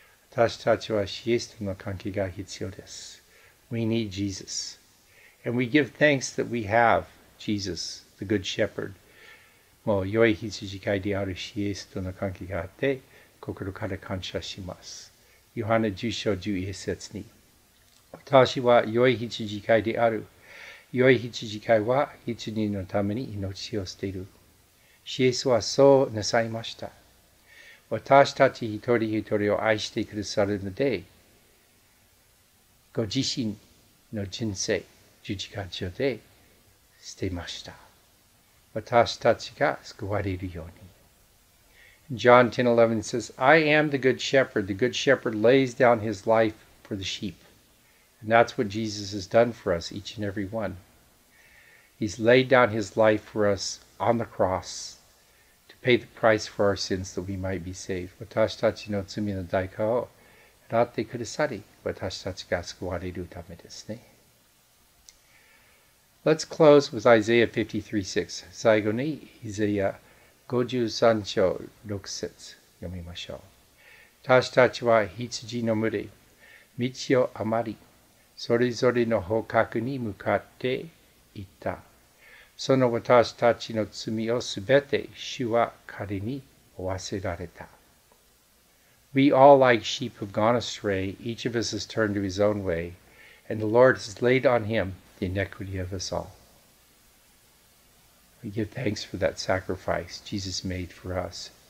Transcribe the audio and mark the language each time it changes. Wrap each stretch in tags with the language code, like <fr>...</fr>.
<ja>私たちはイエスとの関係が必要です。</ja> <en>We need Jesus. And we give thanks that we have Jesus, the Good Shepherd.</en> <ja>もう良い羊飼いであるイエスとの関係があって、心から感謝します。ヨハネ10章11節に。私は良い羊飼いである。良い羊飼いは羊のために命を捨てる。イエスはそうなさいました。私たち一人一人を愛してくださるので、ご自身の人生、十字架上で捨てました。私たちが救われるように。</ja> <en>John 10:11 says, I am the good shepherd. The good shepherd lays down his life for the sheep. And that's what Jesus has done for us, each and every one. He's laid down his life for us on the cross. Pay the price for our sins that we might be saved.</en> <ja>私たちの罪の代価を払ってくださり、私たちが救われるためですね。</ja> <en>Let's close with Isaiah 53:6.</en> <ja>最後に、イザヤ53章6節読みましょう。私たちは羊の群れ、道を余り、それぞれの方角に向かっていった。その私たちの罪をすべて主は彼に負わせられた。</ja> <en>We all like sheep have gone astray, each of us has turned to his own way, and the Lord has laid on him the iniquity of us all. We give thanks for that sacrifice Jesus made for us.</en>